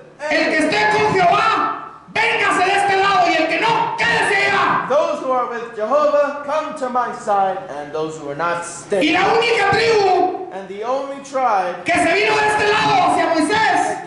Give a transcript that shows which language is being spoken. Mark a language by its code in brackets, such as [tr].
[es] El que esté con Jehová, véngase de este lado, y el que no, quédese allá. [en] Those who are with Jehovah, come to my side, and those who are not, stay. [es] Y la única tribu, [en] and the only tribe, [es] que se vino de este lado hacia Moisés,